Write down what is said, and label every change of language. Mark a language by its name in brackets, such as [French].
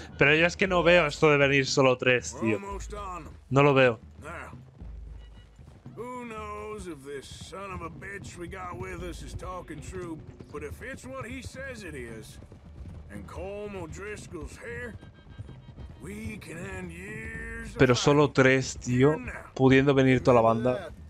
[Spanish] Pero yo es que no veo esto de venir solo tres, tío. No lo veo. [English] Who knows if this son of a bitch we got with us is talking true, but if it's what he says it is, and Colm O'Driscoll's here, we can end years. [Spanish] Pero solo tres, tío, pudiendo venir toda la banda.